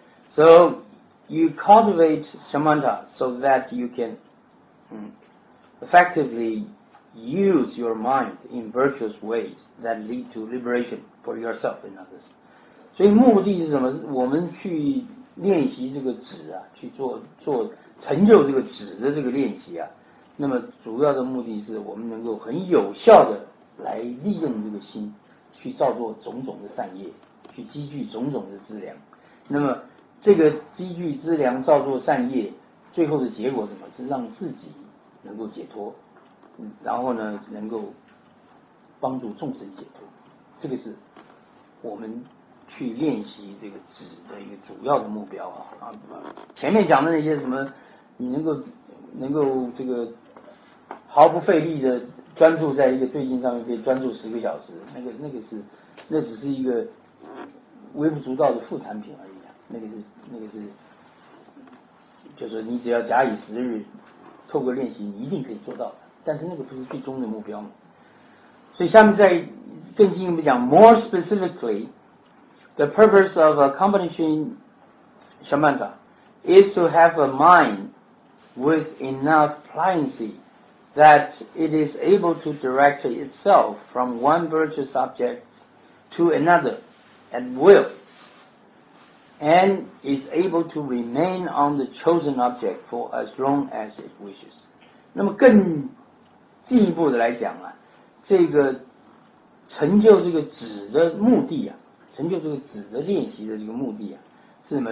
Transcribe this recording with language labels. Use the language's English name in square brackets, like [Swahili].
[English] So you cultivate shamatha so that you can effectively use your mind in virtuous ways that lead to liberation for yourself and others. [Chinese] 所以目的是什么？我们去练习这个止啊，去做成就这个止的这个练习啊。那么主要的目的是我们能够很有效的。来利用这个心去造作种种的善业，去积聚种种的资粮，那么这个积聚资粮造作善业最后的结果是什么？是让自己能够解脱，然后呢能够帮助众生解脱，这个是我们去练习这个止的一个主要的目标啊。前面讲的那些什么，你能够这个毫不费力的专注在一个对境上面，可以专注十个小时，那只是一个微不足道的副产品而已啊。那个是，就是你只要假以时日，透过练习，你一定可以做到的。但是那个不是最终的目标嘛。所以下面再更进一步讲 [English] ，more specifically, the purpose of accomplishing shamatha is to have a mind with enough pliancy that it is able to direct itself from one virtuous object to another at will, and is able to remain on the chosen object for as long as it wishes. [Chinese] 那么更进一步的来讲啊，这个成就这个止的目的啊，成就这个止的练习的这个目的啊，是什么？